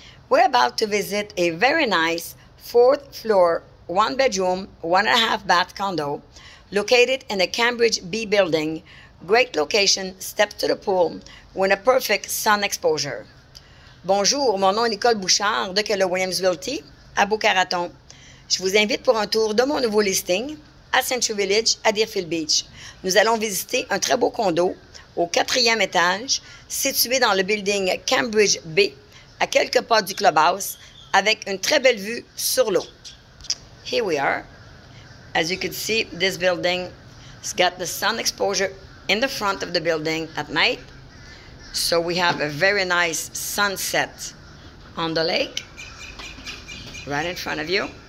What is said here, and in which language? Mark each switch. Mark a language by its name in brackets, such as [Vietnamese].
[English] We're about to visit a very nice fourth floor, one bedroom, one and a half bath condo located in the Cambridge B building. Great location, steps to the pool, with a perfect sun exposure. [French] Bonjour, mon nom est Nicole Bouchard de Keller Williams Realty à Boca Raton. Je vous invite pour un tour de mon nouveau listing à Century Village à Deerfield Beach. Nous allons visiter un très beau condo au quatrième étage situé dans le building Cambridge B à quelques pas du clubhouse avec une très belle vue sur l'eau. [English] Here we are. As you can see, this building has got the sun exposure in the front of the building at night. So we have a very nice sunset on the lake right in front of you.